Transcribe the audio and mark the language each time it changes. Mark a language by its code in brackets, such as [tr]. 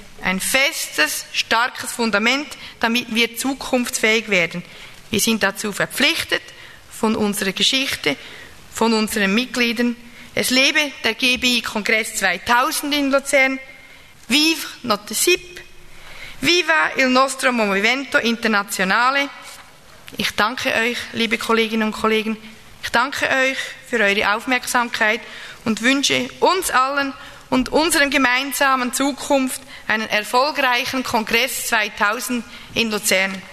[de] Ein festes, starkes Fundament, damit wir zukunftsfähig werden. Wir sind dazu verpflichtet von unserer Geschichte, von unseren Mitgliedern. Es lebe der GBI-Kongress 2000 in Luzern. [fr] Vive notre SIP. [it] Viva il nostro Movimento Internazionale. [de] Ich danke euch, liebe Kolleginnen und Kollegen. Ich danke euch für eure Aufmerksamkeit und wünsche uns allen und unserer gemeinsamen Zukunft einen erfolgreichen Kongress 2000 in Luzern.